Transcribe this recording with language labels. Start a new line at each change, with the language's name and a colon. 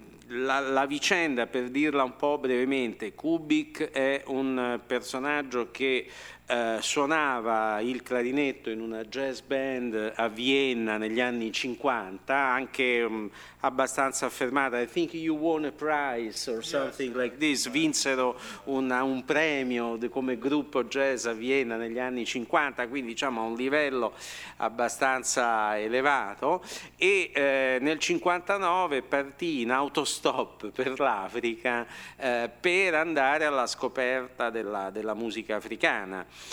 Italian: La vicenda, per dirla un po' brevemente, Kubik è un personaggio che suonava il clarinetto in una jazz band a Vienna negli anni 50, anche abbastanza affermata.
English: I think you won a prize or something, yes, like this.
Italian: Vinsero un premio come gruppo jazz a Vienna negli anni 50, quindi diciamo a un livello abbastanza elevato. E nel 59 partì in autostop per l'Africa per andare alla scoperta della musica africana.